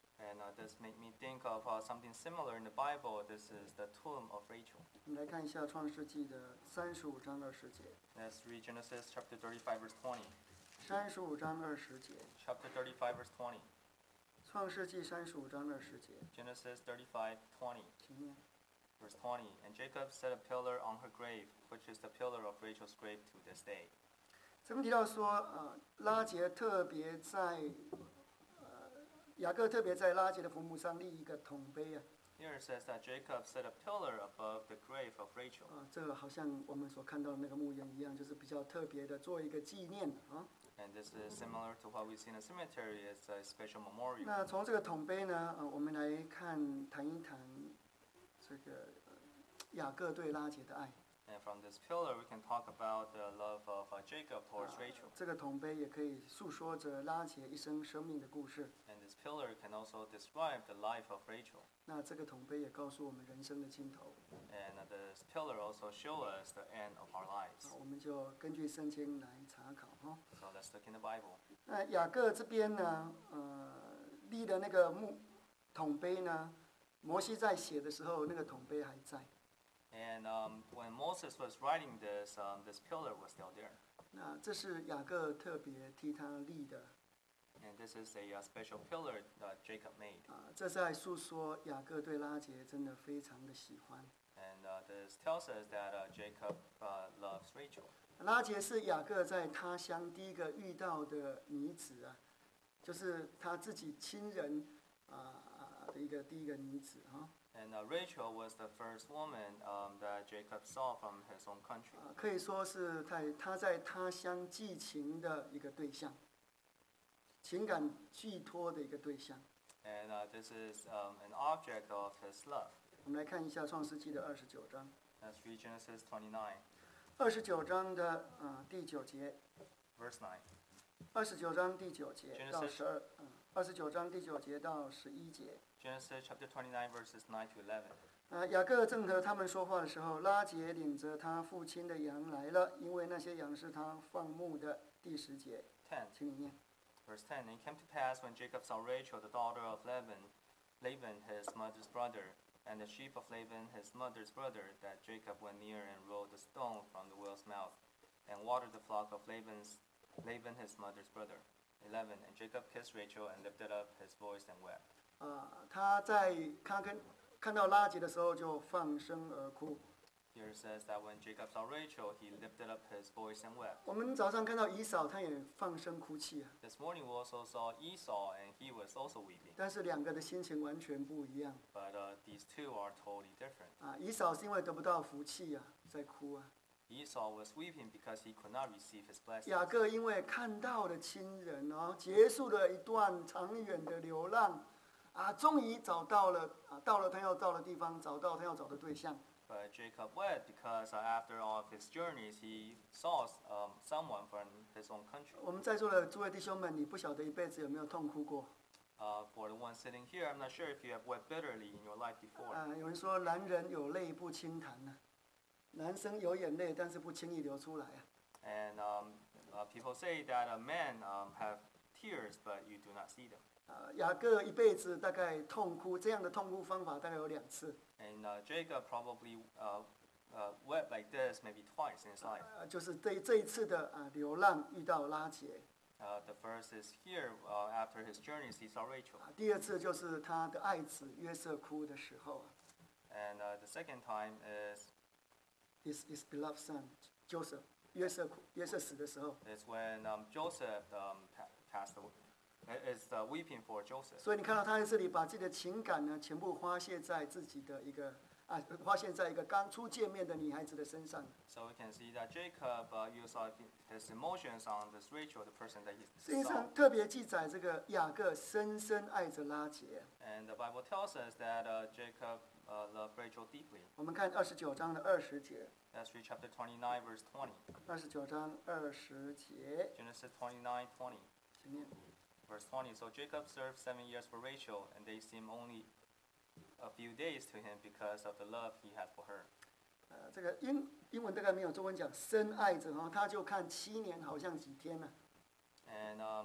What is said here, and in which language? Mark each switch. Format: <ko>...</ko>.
<en>And this made me think of something similar in the Bible. This is the tomb of Rachel.</en> <zh>我们来看一下创世纪的35:20。</zh> <en>Let's read Genesis chapter 35 verse 20. 35:20。 Chapter 35 verse 20.</en> <zh>创世纪35:20。</zh> <en>Genesis 35:20. Verse 20. And Jacob set a pillar on her grave, which is the pillar of Rachel's grave to this day.</en> <zh>这边提到说，拉结特别在，雅各特别在拉结的坟墓上立一个铜碑啊。</zh> <en>Here it says that Jacob set a pillar above the grave of Rachel.</en> <zh>这好像我们所看到的那个墓园一样，就是比较特别的，做一个纪念啊。</zh> <en>And this is similar to what we see in a cemetery. It's a special memorial.</en> <zh>那从这个铜碑呢，我们来看谈一谈这个雅各对拉结的爱。</zh> <en>And from this pillar, we can talk about the love of Jacob towards Rachel.</en> <zh>这个铜碑也可以诉说着拉结一生生命的故事。</zh> <en>And this pillar can also describe the life of Rachel.</en> <zh>那这个铜碑也告诉我们人生的尽头。</zh> <en>And this pillar also shows us the end of our lives.</en> <zh>我们就根据圣经来查考哈。</zh> <en>So let's look in the Bible.</en> <zh>那雅各这边呢，立的那个墓铜碑呢，摩西在写的时候，那个铜碑还在。</zh> <en>And when Moses was writing this, this pillar was still there.</en> <zh>那这是雅各特别替他立的。</zh> <en>And this is a special pillar that Jacob made.</en> <zh>这在诉说雅各对拉结真的非常的喜欢。</zh> <en>And this tells us that Jacob loves Rachel.</en> <zh>拉结是雅各在他乡第一个遇到的女子啊，就是他自己亲人的一个第一个女子啊。</zh> <en>And Rachel was the first woman that Jacob saw from his own country.</en> <zh>可以说是他在他乡寄情的一个对象，情感寄托的一个对象。</zh> <en>And this is an object of his love.</en> <zh>我们来看一下创世纪的29:。</zh> <en>Let's read Genesis 29.</en> <zh>29的第九节。</zh> <en>Verse 9.</en> <zh>29:9到十二。29:9-11。</zh> <en>Genesis chapter 29 verses 9-11.</en> <zh>雅各正和他们说话的时候，拉结领着他父亲的羊来了，因为那些羊是他放牧的。 10:10。 请你念。</zh> <en>Verse 10. It came to pass when Jacob saw Rachel, the daughter of Laban, his mother's brother, and the sheep of Laban, his mother's brother, that Jacob went near and rolled the stone from the well's mouth, and watered the flock of Laban, his mother's brother. 11. And Jacob kissed Rachel and lifted up his voice and wept.</en> <zh>他看到拉结的时候就放声而哭。</zh> <en>Here it says that when Jacob saw Rachel, he lifted up his voice and wept.</en> <zh>我们早上看到以扫，他也放声哭泣啊。</zh> <en>This morning we also saw Esau, and he was also weeping.</en> <zh>但是两个的心情完全不一样。</zh> <en>But these two are totally different.</en> <zh>以扫是因为得不到福气啊，在哭啊。</zh> <en>Esau was weeping because he could not receive his blessing.</en> <zh>雅各因为看到了亲人哦，结束了一段长远的流浪，终于找到了，到了他要到的地方，找到他要找的对象。</zh> <en>but Jacob wept because after all of his journeys, he saw someone from his own country.</en> <zh>我们在座的诸位弟兄们, 你不晓得一辈子有没有痛哭过?</zh> <en>For the one sitting here, I'm not sure if you have wept bitterly in your life before.</en> <zh>有人说, 男人有泪不轻弹啊, 男生有眼泪, 但是不轻易流出来啊。</zh> <en>And people say that a man have tears, but you do not see them.</en> <zh>雅各一辈子大概痛哭, 这样的痛哭方法大概有两次。</zh> <en>And Jacob probably wept like this maybe twice in his life.</en> <zh>就是对这一次的, 流浪遇到拉结。</zh> <en>The first is here, after his journeys, he saw Rachel.</en> <zh>第二次就是他的爱子, 约瑟哭的时候。</zh> <en>And the second time is his beloved son, Joseph.</en> <zh>约瑟死的时候,</zh> <en>it's when Joseph passed away. It's weeping for Joseph.</en> <zh>所以你看到他在这里把自己的情感呢，全部发泄在一个刚初见面的女孩子的身上。</zh> <en>So we can see that Jacob used his emotions on this Rachel, the person that he saw.</en> <zh>圣经上特别记载这个雅各深深爱着拉结。</zh> <en>And the Bible tells us that Jacob loved Rachel deeply.</en> <zh>我们看29章的20节。</zh> <en>Let's read chapter 29, verse 20.</en> <zh>29章20节。</zh> <en>Genesis 29:20.</en> <zh>前面。</zh> <en>Verse 20, so Jacob served 7 years for Rachel, and they seemed only a few days to him because of the love he had for her.</en> <zh>这个英文大概没有中文讲深爱着，他就看七年好像几天了。And</zh>